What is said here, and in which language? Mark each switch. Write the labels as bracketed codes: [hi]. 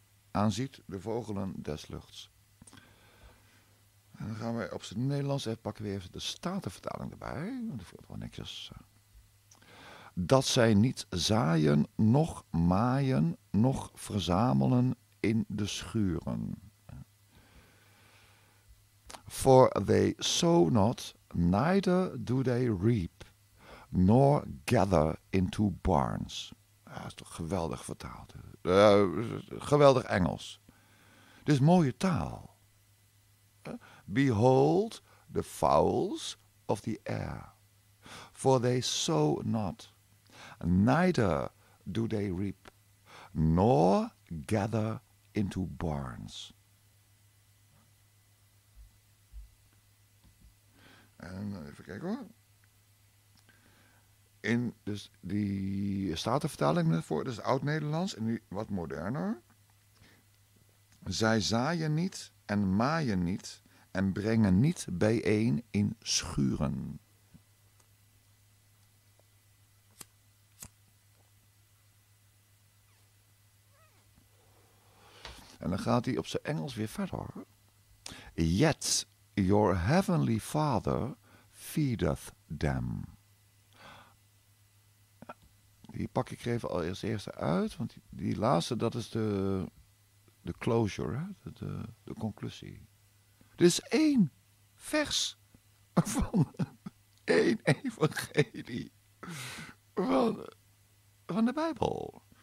[nl] Aanziet de vogelen des luchts. En dan gaan we op het Nederlands even pakken weer even de statenvertaling erbij. Want dat voelt wel netjes. Dat zij niet zaaien, nog maaien, nog verzamelen in de schuren. [en] For they sow not, neither do they reap, nor gather into barns. [nl] Ja, dat is toch geweldig vertaald. Geweldig Engels. Dit is mooie taal. [en] Behold the fowls of the air. For they sow not. Neither do they reap. Nor gather into barns. [nl] En even kijken hoor. In dus die statenvertaling voor, dus oud-Nederlands en nu wat moderner. Zij zaaien niet en maaien niet en brengen niet bijeen in schuren. En dan gaat hij op zijn Engels weer verder. [en] Yet Your heavenly father feedeth them. [nl] Die pak ik even al als eerste uit, want die laatste, dat is de closure, hè? De conclusie. Dus één vers van één evangelie van de Bijbel.